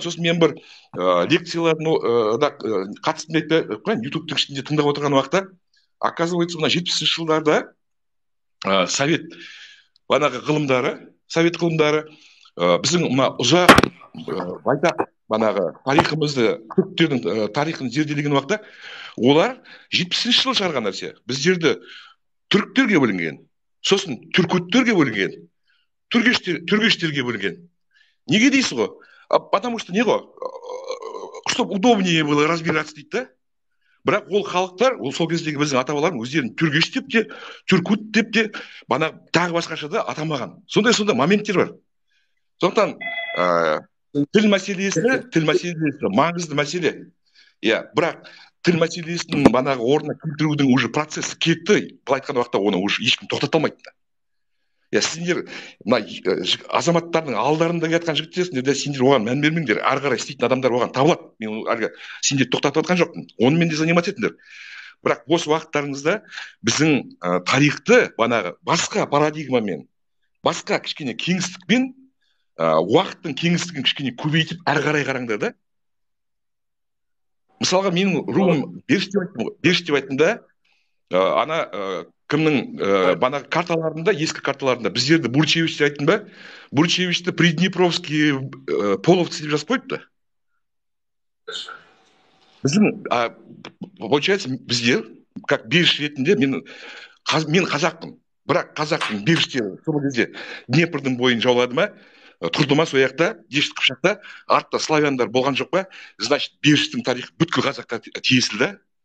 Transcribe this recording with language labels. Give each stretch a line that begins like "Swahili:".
Kazakh: Сосын мен бір лекцияларын қатыстым деп қойын, YouTube-тың ішінде тыңдап отырған уақытта, оказывается, мына 70-ші жылдарда совет банағы ғылымдары, совет ғылымдары біздің мына ұзақ байтақ банағы тарихымызды, түріктердің тарихын зерделеген уақытта, олар 70-ші жылы шығарған нәрсе. Біздерді түріктерге бөлінген, сосын түркөттерге бөлінген, түргештерге бөлінген. Неге дейсі ғо?
Russian: Потому что
Kazakh: неге?
Russian: Чтоб удобнее было разбираться дейді.
Kazakh: Бірақ ол халықтар, ол сол кездегі біздің атабаларын өздерін түргеш деп те, түркут деп те, бана тағы басқаша да атамаған. Сонда моменттер бар. Сондықтан тіл мәселесі маңызды мәселе. Я, бірақ тіл мәселесін банағы орнына келтірудің уже процесі кетті. Бұл айтқан уақытта оны уже ешкім тоқтата алмайды. Я, сендер азаматтардың алдарында жатқан жігіттерсіңдер, сендер оған мән бермеңдер, ары қарай істейтін адамдар оған табылады. Мен әлгі сендер тоқтатып отқан жоқпын, оны мен де заниматься етіңдер. Бірақ осы уақыттарыңызда біздің тарихты банағы басқа парадигмамен, басқа кішкене кеңістікпен, уақыттың кеңістігін кішкене көбейтіп әрі қарай қараңдар да. Мысалға менің руым беріш деп айттым да, ана кімнің банағы карталарында, ескі карталарында біздерді Бурчевич деп айттым ба? Бурчевичті Приднепровский половцы деп жазып қойыпты. Біздің, получается, біздер, как беріш ретінде, мен қазақпын, бірақ қазақтың беріштері сол кезде Днепрдің бойын жаулады ма, тұрды ма сояқта, Дешті Қыпшақта, артта славяндар болған жоқ па, значит, беріштің тарихы бүткіл қазаққа тиесілді.